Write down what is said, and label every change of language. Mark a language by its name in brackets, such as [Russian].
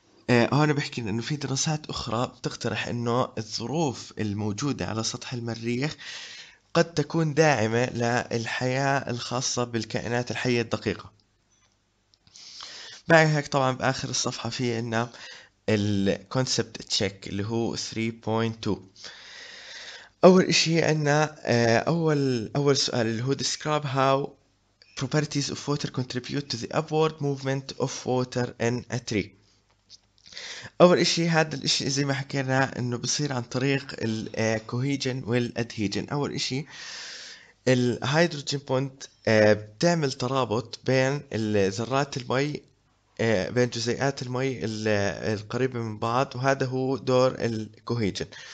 [Arabic] هون بحكي انه في دراسات اخرى بتقترح انه الظروف الموجودة على سطح المريخ قد تكون داعمة للحياة الخاصة بالكائنات الحية الدقيقة. بعد هيك طبعا بآخر الصفحة في عنا الـ concept check اللي هو 3.2. أول إشي عنا أول سؤال اللي هو [English] describe how properties of water contribute to the upward movement of water in a tree. [Arabic] أول إشي هذا الإشي زي ما حكينا إنه بصير عن طريق الـ cohesion والـ adhesion. أول إشي الـ hydrogen bond بتعمل ترابط بين ذرات المي، بين جزيئات المي القريبة من بعض، وهذا هو دور الـ cohesion.